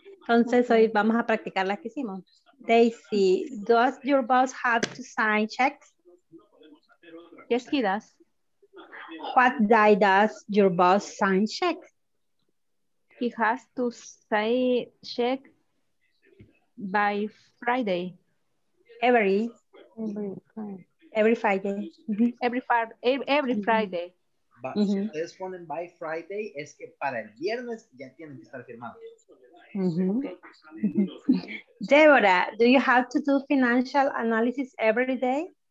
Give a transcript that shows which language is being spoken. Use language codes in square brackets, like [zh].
[es] Entonces hoy vamos a practicar las que hicimos. [en] Daisy, does your boss have to sign checks? Yes, he does. What day does your boss sign checks? He has to sign check by Friday. Every Friday. Mm-hmm. [es] Si ustedes ponen [en] by Friday, [es] es que para el viernes ya tienen que estar firmados. Mm-hmm. [en] Deborah, do you have to do financial analysis every day?